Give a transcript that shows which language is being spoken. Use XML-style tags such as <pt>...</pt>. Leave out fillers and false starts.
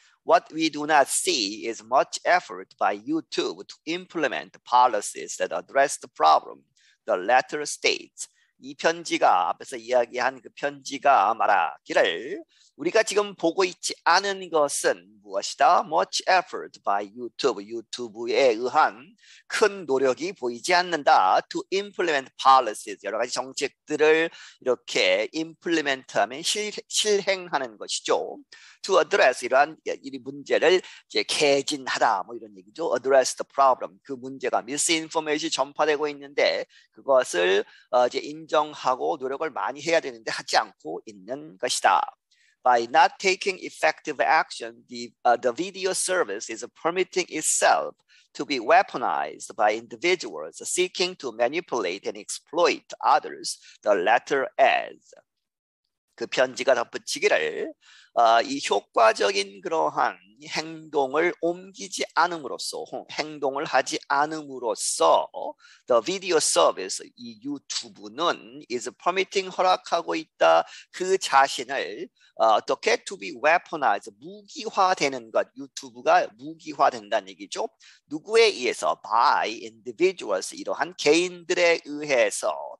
<en>What we do not see is much effort by YouTube to implement policies that address the problem. The letter states.</en> <ko>이 편지가 앞에서 이야기한 그 편지가 말하기를 우리가 지금 보고 있지 않은 것은 무엇이다?</ko> <en>Much effort by YouTube,</en> <ko>유튜브에 의한 큰 노력이 보이지 않는다.</ko> <en>To implement policies,</en> <ko>여러 가지 정책들을 이렇게 implement하면 실행하는 것이죠.</ko> <en>To address</en> <ko>이러한 이 문제를 이제 개진하다 뭐 이런 얘기죠.</ko> <en>Address the problem.</en> <ko>그 문제가 misinformation이 전파되고 있는데 그것을 이제 인정 인정하고 노력을 많이 해야 되는데 하지 않고 있는 것이다.</ko> <en>By not taking effective action, the video service is permitting itself to be weaponized by individuals seeking to manipulate and exploit others, the latter as.</en> <ko>그 편지가 덧붙이기를 이 효과적인 그러한 행동을 옮기지 않음으로써 행동을 하지 않음으로써</ko> <en>the video service</en> <ko>이 유튜브는</ko> <en>is permitting</en> <ko>허락하고 있다 그 자신을 어떻게</ko> <en>to be weaponized</en> <ko>무기화되는 것 유튜브가 무기화된다는 얘기죠 누구에 의해서</ko> <en>by individuals</en> <ko>이러한 개인들에 의해서</ko>